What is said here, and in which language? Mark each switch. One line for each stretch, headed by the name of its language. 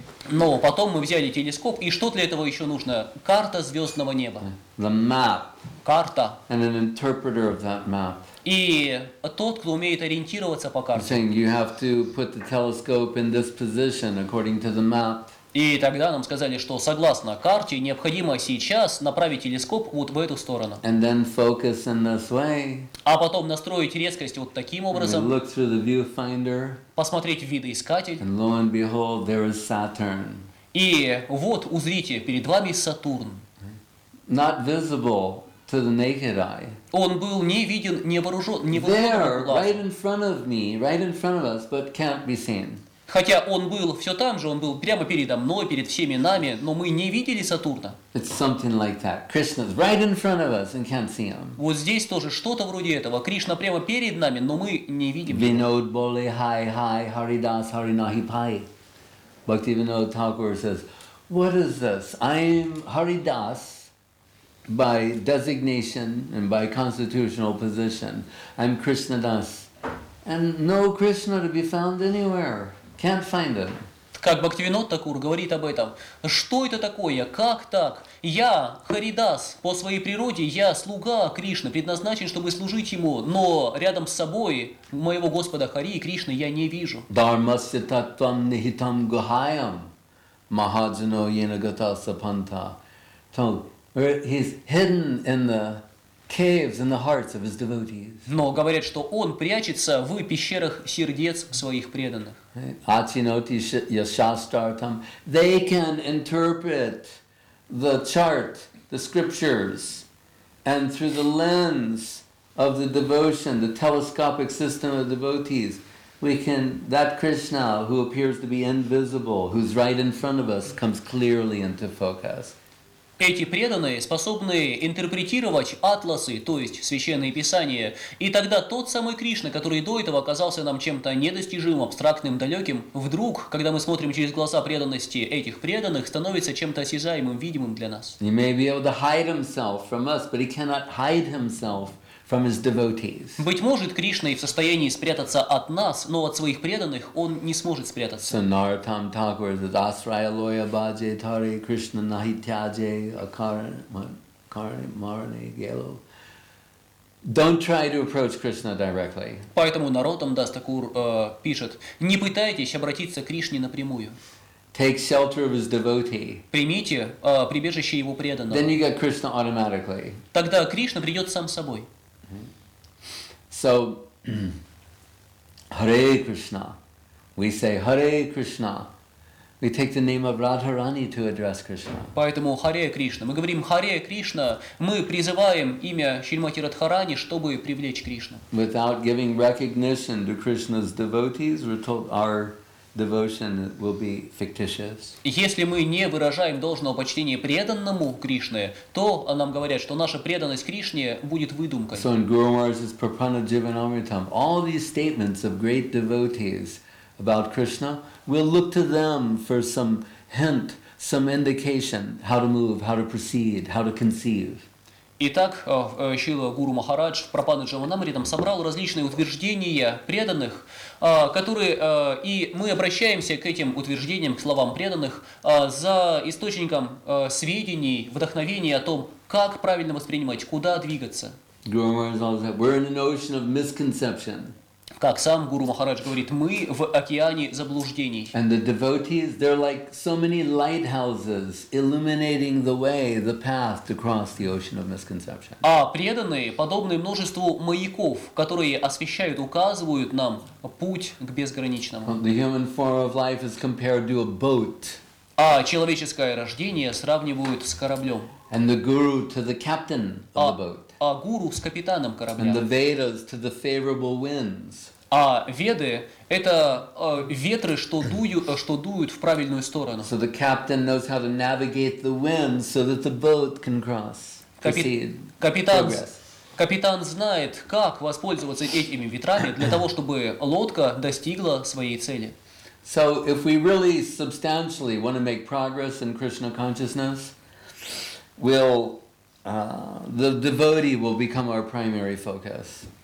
Russian: Но потом мы взяли телескоп, и что для этого еще нужно? Карта звездного неба.
English: The map.
Russian: Карта.
English: And an interpreter of that map.
Russian: И тот, кто умеет ориентироваться по карте.
English: Saying you have to put the telescope in this position according to the map.
Russian: И тогда нам сказали, что согласно карте необходимо сейчас направить телескоп вот в эту сторону.
English: And then focus in this way.
Russian: А потом настроить резкость вот таким образом.
English: And look through the viewfinder.
Russian: Посмотреть в видоискатель.
English: And lo and behold, there is Saturn.
Russian: И вот узрите, перед вами Сатурн.
English: Not visible to the naked eye.
Russian: Он был не виден, невооруженным глазом.
English: There, right in front of me, right in front of us, but can't be seen.
Russian: Хотя он был все там же, он был прямо передо мной, перед всеми нами, но мы не видели Сатурна.
English: It's something like that. Krishna's right in front of us and can't see him.
Russian: Вот здесь тоже что-то вроде этого. Кришна прямо перед нами, но мы не видим.
Bangla: Vinod Bole, hi, hi, Haridas, Harinahi Pai.
English: Bhaktivinoda Thakur says, what is this? I'm Haridas by designation and by constitutional position. I'm Krishna Das. And no Krishna to be found anywhere. Can't find him.
Russian: Как Бхактивинод Такур говорит об этом. Что это такое? Как так? Я Харидас, по своей природе, я слуга Кришны, предназначен, чтобы служить ему, но рядом с собой моего Господа Хари и Кришны я не вижу.
Sanskrit: Дармасе таттвам нихитам гухаям махаджино йенагатаса панта.
English: So he's hidden in the caves in the hearts of his devotees.
Russian: Но говорят, что он прячется в пещерах сердец своих преданных.
Sanskrit: Ачиноти яшастартам.
English: They can interpret the chart, the scriptures, and through the lens of the devotion, the telescopic system of devotees, we can, that Krishna who appears to be invisible, who's right in front of us, comes clearly into focus.
Russian: Эти преданные способны интерпретировать атласы, то есть священные писания, и тогда тот самый Кришна, который до этого оказался нам чем-то недостижимым, абстрактным, далеким, вдруг, когда мы смотрим через глаза преданности этих преданных, становится чем-то осязаемым, видимым для нас.
English: He may be able to hide himself from us, but he cannot hide himself from his devotees.
Russian: Быть может, Кришна и в состоянии спрятаться от нас, но от своих преданных он не сможет спрятаться.
Bangla: Наратам Такур
English: says,
Bangla: Асрая лоя баджи тари Кришна нахитяджи акарани марани гелу.
English: Don't try to approach Krishna directly.
Russian: Поэтому Наратам Дас Такур пишет, не пытайтесь обратиться к Кришне напрямую.
English: Take shelter of his devotee.
Russian: Примите прибежище его преданного.
English: Then you get Krishna automatically.
Russian: Тогда Кришна придет сам собой.
English: So, Hare Krishna. We say Hare Krishna. We take the name of Radharani to address Krishna.
Russian: Поэтому Hare Krishna. Мы говорим Hare Krishna. Мы призываем имя Шримати Радхарани, чтобы привлечь Кришну.
English: Without giving recognition to Krishna's devotees, we're told our devotion will be fictitious.
Russian: Если мы не выражаем должного почтения преданному Кришне, то нам говорят, что наша преданность Кришне будет выдумкой.
English: So in Guru Maharaj's Prapanna Jivanamritam, all these statements of great devotees about Krishna, we'll look to them for some hint, some indication, how to move, how to proceed, how to conceive.
Russian: Итак, Шрила Гуру Махарадж в Прапанна Джаванамритам собрал различные утверждения преданных, которые, и мы обращаемся к этим утверждениям, к словам преданных, за источником сведений, вдохновения о том, как правильно воспринимать, куда двигаться. Гуру Махарадж говорит, что мы в океане заблуждений. Как сам Гуру Махарадж говорит, мы в океане заблуждений.
English: And the devotees, they're like so many lighthouses illuminating the way, the path to cross the ocean of misconception.
Russian: А преданные подобны множеству маяков, которые освещают, указывают нам путь к безграничному.
English: The human form of life is compared to a boat.
Russian: А человеческое рождение сравнивают с кораблем.
English: And the guru to the captain of the boat.
Russian: А гуру с капитаном корабля.
English: And the Vedas to the favorable winds.
Russian: А веды – это ветры, что дуют в правильную сторону.
English: So the captain knows how to navigate the winds so that the boat can cross, proceed, progress.
Russian: Капитан знает, как воспользоваться этими ветрами для того, чтобы лодка достигла своей цели.
English: So if we really substantially want to make progress in Krishna consciousness, the devotee will become our primary focus.